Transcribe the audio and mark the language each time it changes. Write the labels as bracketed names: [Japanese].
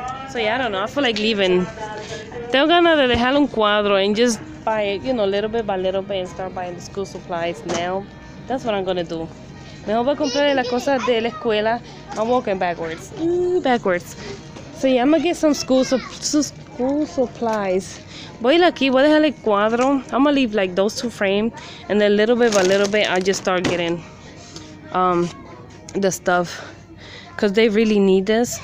[English] So yeah, I don't know. I feel like leaving. [Spanish] Tengo ganas de dejar un cuadro [English] and just buy it, you know, little bit by little bit and start buying the school supplies now. That's what I'm gonna do. [Spanish] Mejor voy a comprar las cosas de la escuela. [English] I'm walking backwards. Backwards. So yeah, I'm gonna get some school supplies. [Spanish] Voy aquí, voy a dejar el cuadro. [English] I'm gonna leave like those two frames, and then little bit by little bit, I just start getting the stuff, cause they really need this.